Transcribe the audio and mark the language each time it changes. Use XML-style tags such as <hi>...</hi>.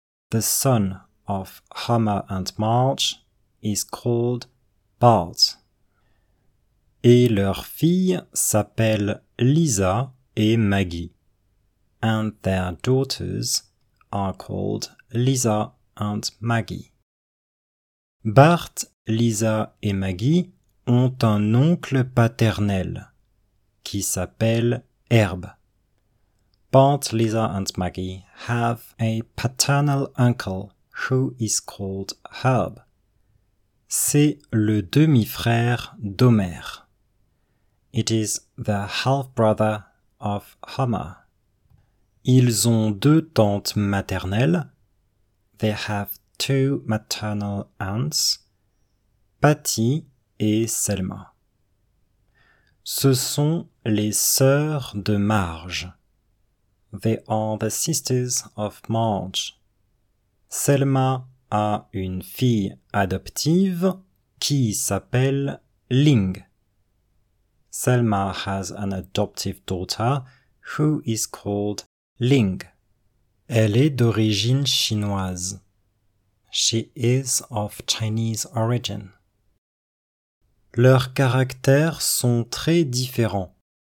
<en>The son of Homer and Marge is called Bart.</en> <fr>Et leur fille s'appelle Lisa et Maggie.</fr> <en>And their daughters are called Lisa and Maggie.</en> <fr>Bart, Lisa et Maggie ont un oncle paternel qui s'appelle Herb.</fr> <en>Bart, Lisa and Maggie have a paternal uncle who is called Herb.</en> <fr>C'est le demi-frère d'Homer.</fr> <en>It is the half-brother of Homer.</en> <fr>Ils ont deux tantes maternelles.</fr> <en>They have two maternal aunts,</en> <fr>Patty et Selma. Ce sont les sœurs de Marge.</fr> <en>They are the sisters of Marge.</en> <fr>Selma a une fille adoptive qui s'appelle Ling.</fr> <en>Selma has an adoptive daughter who is called Ling.</en> <fr>Elle est d'origine chinoise.</fr> <en>She is of Chinese origin.</en> <fr>Leurs caractères sont très différents.</fr>